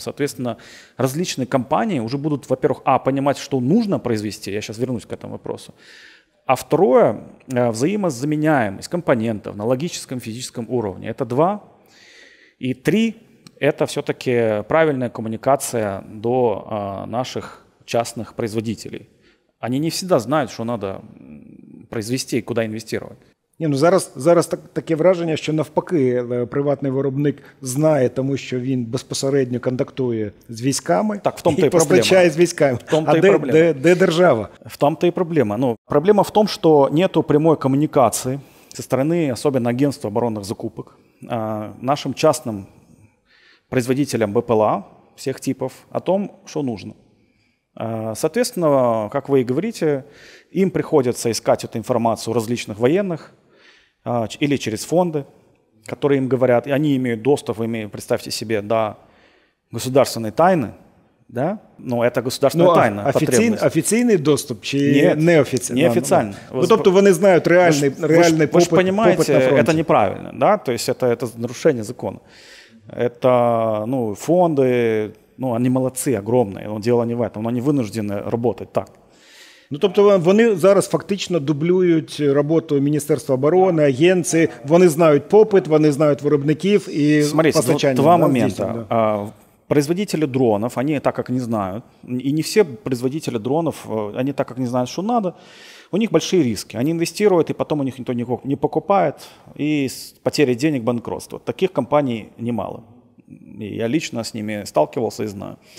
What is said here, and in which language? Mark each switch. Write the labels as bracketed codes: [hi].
[ru] Соответственно, различные компании уже будут, во-первых, понимать, что нужно произвести, я сейчас вернусь к этому вопросу, а второе, взаимозаменяемость компонентов на логическом, физическом уровне. Это два. И три, это все-таки правильная коммуникация до наших частных производителей. Они не всегда знают, что надо произвести и куда инвестировать. [uk] Ні, ну зараз таке враження, що навпаки, приватний виробник знає, тому що він безпосередньо контактує з військами, так, в тому і постачає з військами. В тому а де держава? В тому-то і проблема. Ну, проблема в тому, що нету прямої комунікації зі сторони, особливо агентства оборонних закупок, нашим [ru] частним производителям [uk] БПЛА всіх типів, [ru] о том, [uk] що потрібно. [ru] Соответственно, как вы и говорите, им приходится искать эту информацию у различных военных или через фонды, которые им говорят, и они имеют доступ, имеют, представьте себе, до государственной тайны, да? Но это государственная тайна. Официальный доступ или неофициальный? Неофициальный. Ну, то есть они знают реальный попыт. Вы же понимаете, это неправильно, да? То есть это нарушение закона. Это, ну, фонды... [uk] Ну, вони молодці, огромні, діло не в цьому, вони вынуждені працювати так. Ну, тобто вони зараз фактично дублюють роботу Міністерства оборони, агенції, вони знають попит, вони знають виробників і [ru] смотрите, [uk] постачання. [ru] Смотрите, два моменти. Да. Производители дронов, они так как не знают, и не все производители дронов, они так как не знают, что надо, у них большие риски. Они инвестируют, и потом у них никто не покупает, и потеря денег, банкротство. Таких компаний немало. Я лично с ними сталкивался и знаю.